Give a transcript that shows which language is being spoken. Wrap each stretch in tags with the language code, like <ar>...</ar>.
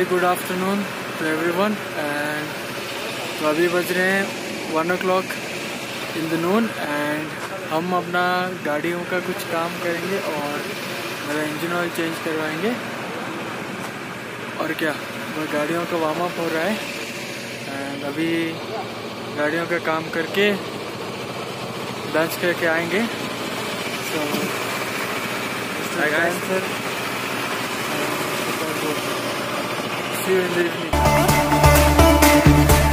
<en>afternoon to everyone.</en> <hi>And तो अभी बज रहे हैं</hi> <en>1 o'clock in the noon and</en> <hi>हम अपना गाड़ियों का कुछ काम करेंगे और मेरा इंजन ऑयल चेंज करवाएंगे और क्या वह गाड़ियों का वार्म अप हो रहा है. एंड अभी गाड़ियों का काम करके लंच करके आएंगे.</hi> <en>So sir See you in the evening.</en>